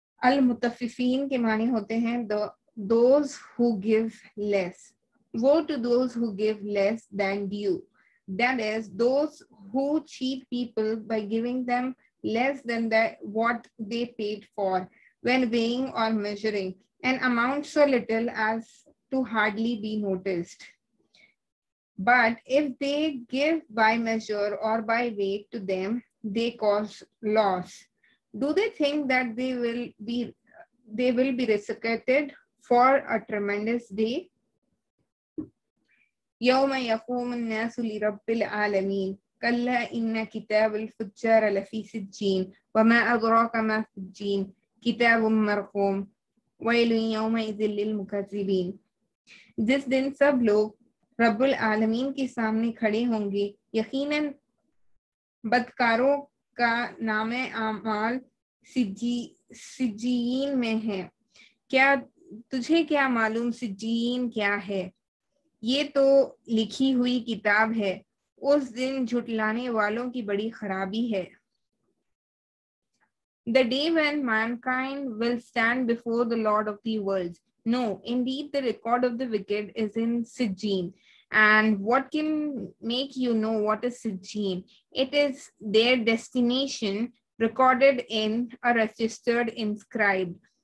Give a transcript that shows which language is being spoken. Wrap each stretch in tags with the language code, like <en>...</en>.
<ur>المتففین کے معنی ہوتے ہیں</ur> <en>those who give less woe to those who give less than due That is, those who cheat people by giving them less than what they paid for when weighing or measuring, an amount so little as to hardly be noticed. But if they give by measure or by weight to them, they cause loss. Do they think that they will be resurrected for a tremendous day?</en> <ar>يوم يقوم الناس لرب العالمين كلا إن كتاب الفجار لفي سجين وما أدراك ما سجين كتاب مرقوم ويل يومئذ للمكذبين</ar> <ur>جس دن سب لوگ رب العالمين کے سامنے کھڑے ہوں گے یقینا بدکاروں کا نام اعمال سجین میں ہے کیا تجھے کیا معلوم سجین کیا ہے یہ تو لکھی ہوئی کتاب ہے اس دن جھٹلانے والوں کی بڑی خرابی ہے</ur> <en>The day when mankind will stand before the Lord of the worlds. No, indeed the record of the wicked is in Sijjin. And what can make you know what is Sijjin? It is their destination recorded in a registered inscribed.</en>